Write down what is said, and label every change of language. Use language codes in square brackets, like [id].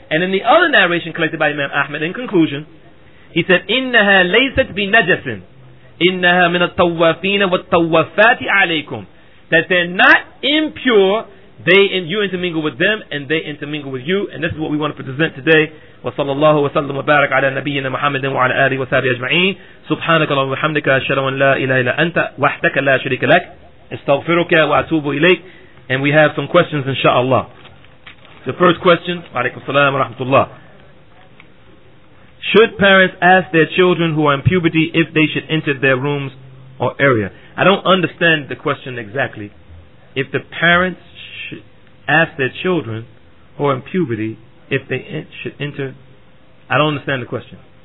[en] And in the other narration collected by Imam Ahmed, in conclusion, he said, [ar] إِنَّهَا لَيْسَتْ بِنَجَسٍ إِنَّهَا مِنَ التَّوَّافِينَ وَالتَّوَّافَاتِ عَلَيْكُمْ. [en] That they're not impure, they and you intermingle with them, and they intermingle with you. And this is what we want to present today. [ar] وصلى الله وسلم وبارك على نبينا محمد وعلى آله وصحبه أجمعين. سبحانك اللهم وبحمدك أشهد أن لا إله إلا أنت وحدك لا شريك لك استغفرك وأتوب إليك. [en] And we have some questions, inshallah. The first question, [ar] عليكم السلام ورحمة الله. [en] Should parents ask their children who are in puberty if they should enter their rooms or area? I don't understand the question exactly. If the parents should ask their children who are in puberty if they should enter, I don't understand the question.